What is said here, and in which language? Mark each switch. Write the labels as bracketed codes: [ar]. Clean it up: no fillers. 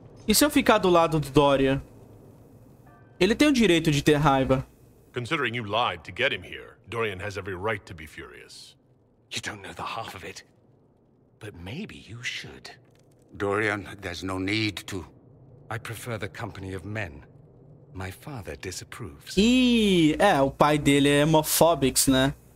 [pt] E se eu ficar do lado do Doria? Ele tem o direito de ter raiva. [en] Considering you lied to get him here, Dorian has every right to be furious. You don't know the half of it. But maybe you should. Dorian, there's no need to. I prefer the company of men. My father disapproves. [pt] Ih, o pai dele é homofóbico, né?